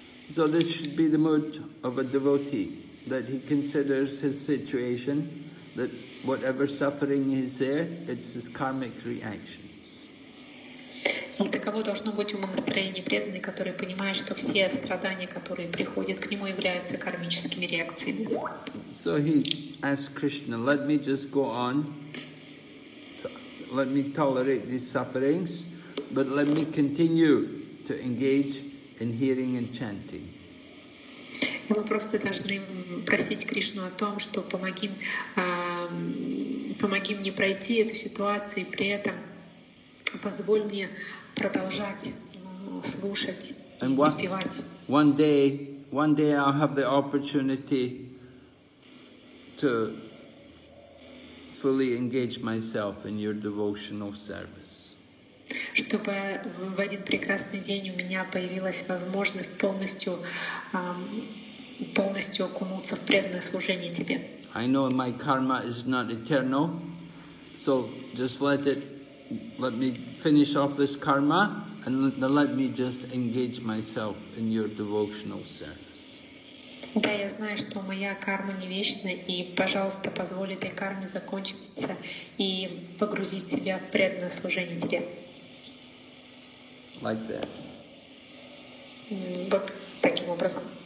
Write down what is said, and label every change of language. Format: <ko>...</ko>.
<en>So this should be the mood of a devotee, that he considers his situation, that whatever suffering is there, it's his karmic reactions.</en> <ru>И таково должно быть ума настроение преданный, который понимает, что все страдания, которые приходят к нему, являются кармическими реакциями.</ru> <en>So he asks Krishna, let me just go on, let me tolerate these sufferings, but let me continue to engage in hearing and chanting.</en> <ru>И мы просто должны просить Кришну о том, что помоги мне пройти эту ситуацию, и при этом позволь мне продолжать слушать и воспевать.</ru> <en>One day I'll have the opportunity to fully engage myself in your devotional service.</en> <ru>Чтобы в один прекрасный день у меня появилась возможность полностью окунуться в преданное служение тебе.</ru> <en>I know my karma is not eternal, so just let me finish off this karma and let me just engage myself in your devotional service.</en> <ru>Да, я знаю, что моя карма не вечна, и пожалуйста, позволь этой карме закончиться и погрузить себя в преданное служение тебе.</ru> <en>Like that.</en> <ru>Вот таким образом.</ru>